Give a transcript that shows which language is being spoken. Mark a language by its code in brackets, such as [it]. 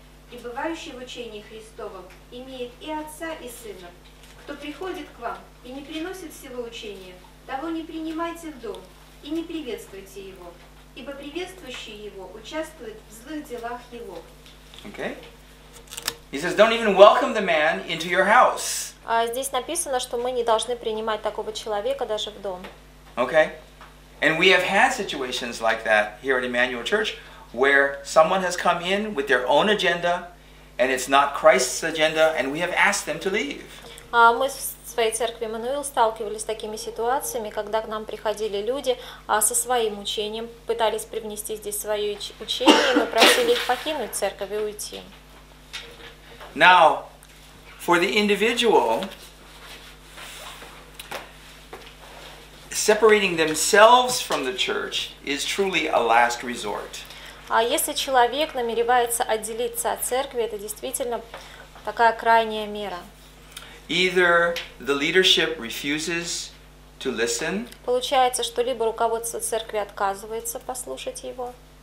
[ru] Пребывающий в учении Христовом имеет и Отца, и Сына. Кто приходит к вам и не приносит всего учения, того не принимайте в дом. И не приветствуйте его, ибо приветствующий его участвует в злых делах его. [en] Okay. He says, don't even welcome the man into your house. [ru] Здесь написано, что мы не должны принимать такого человека даже в дом. [en] Okay. And we have had situations like that here at Emmanuel Church, where someone has come in with their own agenda, and it's not Christ's agenda, and we have asked them to leave. [ru] В своей церкви Эммануил сталкивались с такими ситуациями, когда к нам приходили люди со своим учением, пытались привнести здесь свое учение, и мы просили их покинуть церковь и уйти. [en] Now, for the individual, separating themselves from the church is truly a last resort. [ru] А если человек намеревается отделиться от церкви, это действительно такая крайняя мера. [en] Either the leadership refuses to listen. [ru] Получается, что либо руководство церкви отказывается послушать его.